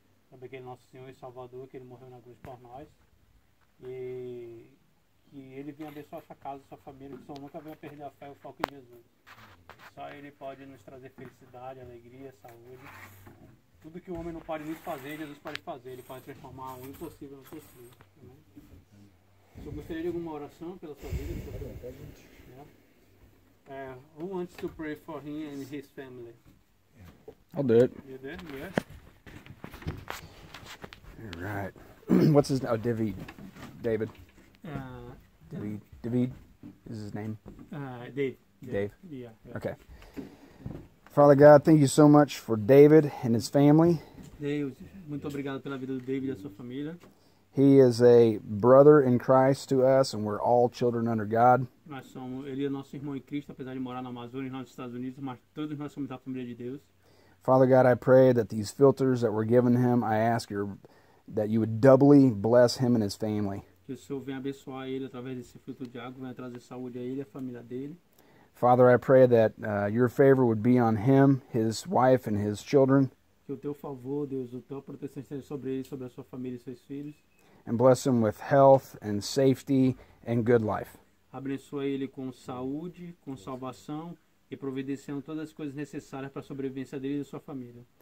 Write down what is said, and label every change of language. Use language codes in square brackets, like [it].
[pt] Também que ele é nosso Senhor e Salvador, que ele morreu na cruz por nós. E que ele venha abençoar sua casa, sua família, que o Senhor nunca venha perder a fé e o foco em Jesus. Só ele pode nos trazer felicidade, alegria, saúde. Tudo que o homem não pode nem fazer, Jesus pode fazer. Ele pode transformar o impossível no possível. Né? Se eu gostaria de alguma oração pela sua vida? [en] Yeah. Who wants to pray for him and his family? I'll do it. You did? Yes. All right. What's his name? Oh, David. David. David. David is his name. Dave. Yeah. Okay. Father God, thank you so much for David and his family. [pt] Deus, muito obrigado pela vida do David e da sua família. [en] He is a brother in Christ to us, and we're all children under God. [pt] Nós somos, ele é nosso irmão em Cristo, apesar de morar na Amazônia, nos Estados Unidos, mas todos nós somos da família de Deus. [en] Father God, I pray that these filters that were given him, I ask your that you would doubly bless him and his family. [pt] Que o Senhor venha abençoar ele através desse filtro de água, venha trazer saúde a ele e a família dele. [en] Father, I pray that your favor would be on him, his wife and his children. [pt] Que o teu favor, Deus, o teu proteção esteja sobre ele, sobre a sua família e seus filhos. [en] And bless him with health and safety and good life. [pt] Abençoa ele com saúde, com salvação e providenciando todas as coisas necessárias para a sobrevivência dele e da sua família.